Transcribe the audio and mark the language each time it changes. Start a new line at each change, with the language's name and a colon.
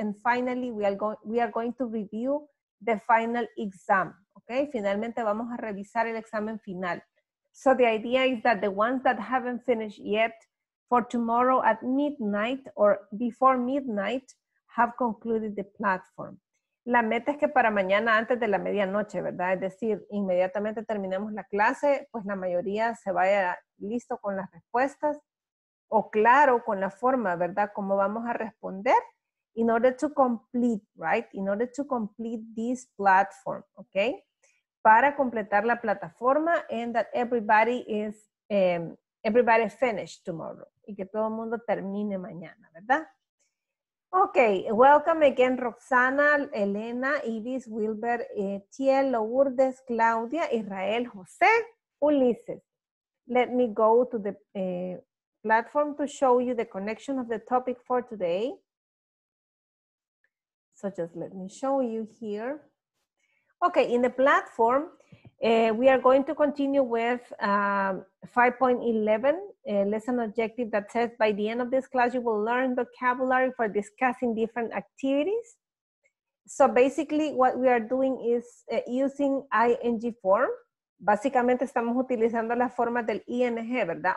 English: And finally, we are going to review the final exam. Okay,
Spanish: finalmente vamos a revisar el examen final.
English: So the idea is that the ones that haven't finished yet for tomorrow at midnight or before midnight have concluded the platform.
Spanish: La meta es que para mañana antes de la medianoche, ¿verdad? Es decir, inmediatamente terminemos la clase, pues la mayoría se vaya listo con las respuestas. O claro, con la forma, ¿verdad? ¿Cómo vamos a responder?
English: In order to complete, right? In order to complete this platform, okay?
Spanish: Para completar la plataforma
English: and that everybody is, everybody finished tomorrow.
Spanish: Y que todo el mundo termine mañana, ¿verdad?
English: Okay, welcome again, Roxana, Elena, Ibis, Wilber, Etiel, Lourdes, Claudia, Israel, José, Ulises. Let me go to the... platform to show you the connection of the topic for today. So just let me show you here. Okay, in the platform, we are going to continue with 5.11, a lesson objective that says by the end of this class, you will learn vocabulary for discussing different activities. So basically what we are doing is using ing form.
Spanish: Básicamente estamos utilizando la forma del ing, ¿verdad?